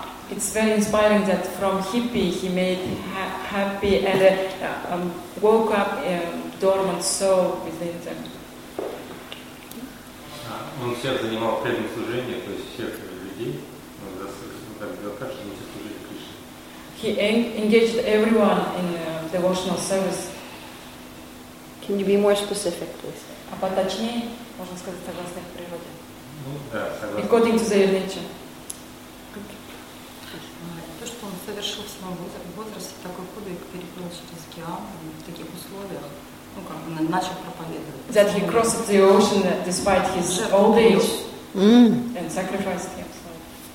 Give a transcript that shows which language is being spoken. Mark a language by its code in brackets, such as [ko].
[en] It's very inspiring that from hippie he made happy and woke up in dormant soul within them. [ru] Он всех занимал преданным служением, то есть всех людей. Он заставил так, чтобы все служили Кришне. [en] He engaged everyone in devotional service. Can you be more specific, please? [ru] А поточнее, можно сказать, согласно их природе. Ну, да, согласно. [en] According to their nature. [ru] То, что он совершил в своем возрасте такой подвиг, переплыл через океан в таких условиях, ну как бы начал проповедовать. [en] That he crossed the ocean despite his old age and sacrificed himself.